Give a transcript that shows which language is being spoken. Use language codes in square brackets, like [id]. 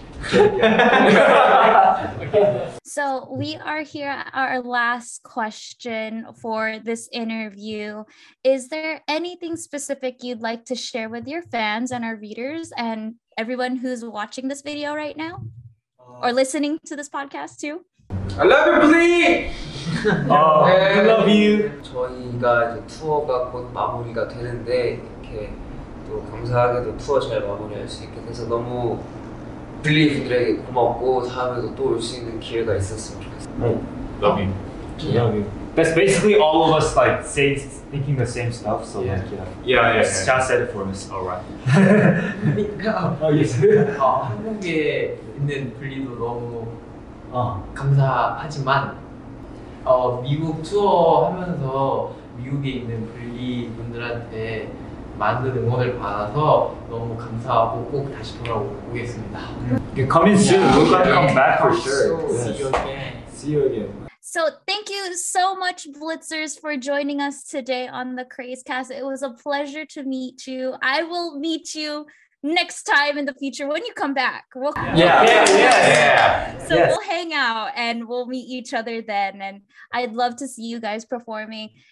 [en] So we are here at our last question for this interview. Is there anything specific you'd like to share with your fans and our readers and everyone who's watching this video right now or listening to this podcast too? I love you, please. Oh, I love you. [ko] 저희가 이제 투어가 곧 마무리가 되는데 이렇게 또 감사하게도 투어 잘 마무리할 수 있게 돼서 너무 빌리 분들에게 고맙고 다음에도 또 올 수 있는 기회가 있었으면 좋겠어요. [en] Oh, love you. Yeah. Love you. That's basically all of us like saying, thinking the same stuff. So yeah, like, yeah. Just said it for us. All right. Oh yes. [ko] 한국에 있는 빌리도 너무 감사하지만 미국 투어하면서 미국에 있는 블리 분들한테 많은 응원을 받아서 너무 감사하고 꼭 다시 돌아오겠습니다. [en] You're coming soon. We're gonna come back for sure. See you again. See you again. So thank you so much, Blitzers, for joining us today on the Krazecast. It was a pleasure to meet you. I will meet you next time in the future when you come back. We'll hang out and we'll meet each other then, and I'd love to see you guys performing.